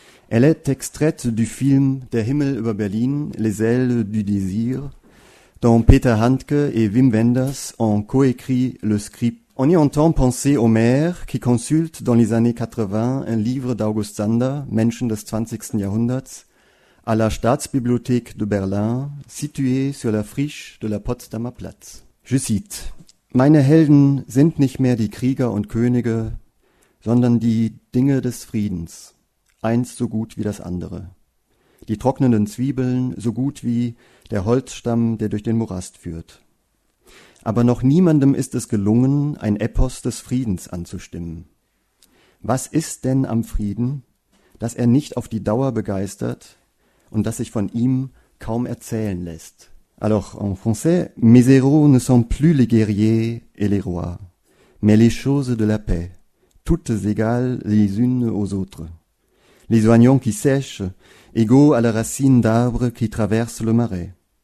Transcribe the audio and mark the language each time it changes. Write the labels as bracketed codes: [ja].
[fr] Elle est extraite du film « Der Himmel über Berlin, les ailes du désir » dont Peter Handke et Wim Wenders ont coécrit le script. On y entend penser au maire qui consulte dans les années 80 un livre d'August Sander, Menschen des 20. Jahrhunderts, à la Staatsbibliothek de Berlin, située sur la friche de la Potsdamer Platz. Je cite: [de] Meine Helden sind nicht mehr die Krieger und Könige, sondern die Dinge des Friedens, eins so gut wie das andere. Die trocknenden Zwiebeln so gut wie der Holzstamm, der durch den Morast führt. Aber noch niemandem ist es gelungen, ein Epos des Friedens anzustimmen. Was ist denn am Frieden, dass er nicht auf die Dauer begeistert und dass sich von ihm kaum erzählen lässt? [fr] Alors, en français, mes héros ne sont plus les guerriers et les rois, mais les choses de la paix, toutes égales les unes aux autres. Les oignons qui sèchent, égaux à la racine d'arbres qui traversent le marais.